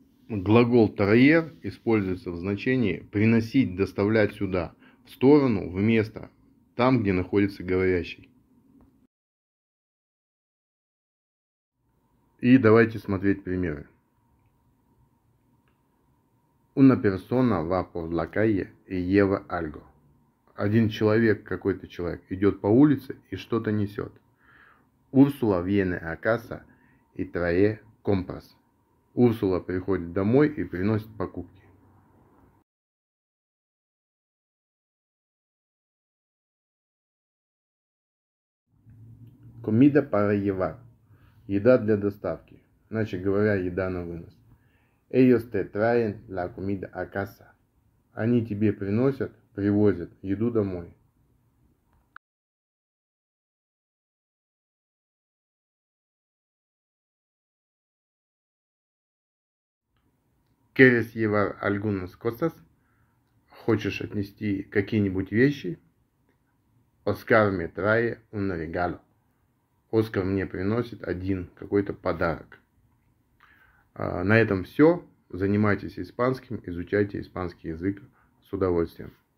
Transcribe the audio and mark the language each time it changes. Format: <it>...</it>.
<ru>Глагол «траер» используется в значении «приносить», «доставлять сюда», «в сторону», «в место», «там, где находится говорящий». И давайте смотреть примеры.</ru> <es>Una persona va por la calle y lleva algo.</es> <ru>Один человек, какой-то человек, идет по улице и что-то несет.</ru> <es>Ursula viene a casa y trae compras.</es> <ru>Урсула приходит домой и приносит покупки.</ru> <es>Comida para llevar.</es> <ru>Еда для доставки. Иначе говоря, еда на вынос.</ru> <es>Ellos te traen la comida a casa.</es> <ru>Они тебе приносят, привозят еду домой.</ru> <es>¿Quieres llevar algunas cosas?</es> <ru>¿Хочешь отнести какие-нибудь вещи?</ru> <es>Oscar me trae un regalo.</es> <ru>Оскар мне приносит один какой-то подарок. На этом все. Занимайтесь испанским, изучайте испанский язык с удовольствием.</ru>